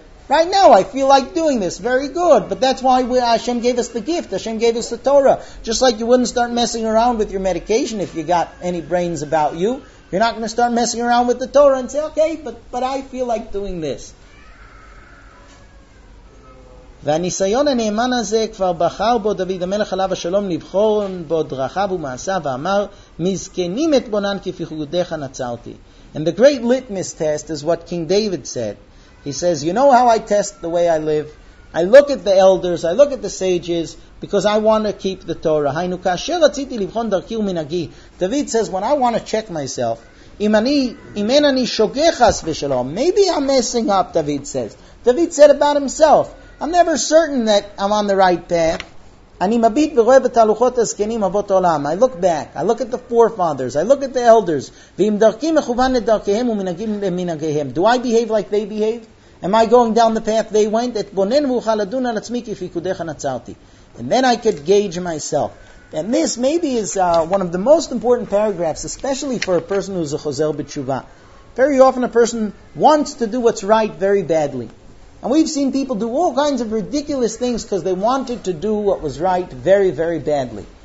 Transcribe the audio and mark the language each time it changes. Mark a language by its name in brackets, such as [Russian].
[English] Right now, I feel like doing this. Very good. But that's why Hashem gave us the gift. Hashem gave us the Torah. Just like you wouldn't start messing around with your medication if you got any brains about you. You're not going to start messing around with the Torah and say, okay, but I feel like doing this. [Hebrew] והניסיון הנאמן הזה כבר בחר בו דוד המלך עליו השלום לבחור בו דרכיו ומעשיו ואמר מזקנים את בונן כפיחודיך נצרתי. [English] And the great litmus test is what King David said. He says, you know how I test the way I live? I look at the elders, I look at the sages, because I want to keep the Torah. [Hebrew] היינו כאשר רציתי לבחון דרכי ומנהגי. [English] David says, when I want to check myself, [Hebrew] אם אין אני שוגה חס ושלום, [English] maybe I'm messing up, David says. David said about himself, I'm never certain that I'm on the right path. [Hebrew] אני מביט ורואה בתהלוכות הזקנים אבות העולם. [English] I look back. I look at the forefathers. I look at the elders. [Hebrew] ואם דרכי מכוון לדרכיהם ומנהגים למנהגיהם. [English] Do I behave like they behave? Am I going down the path they went? [Hebrew] את בונן ואוכל לדון על עצמי כפיקודך נצרתי. [English] And then I could gauge myself. And this maybe is one of the most important paragraphs, especially for a person who's a chozer b'tshuva. Very often a person wants to do what's right very badly. And we've seen people do all kinds of ridiculous things because they wanted to do what was right very, very badly.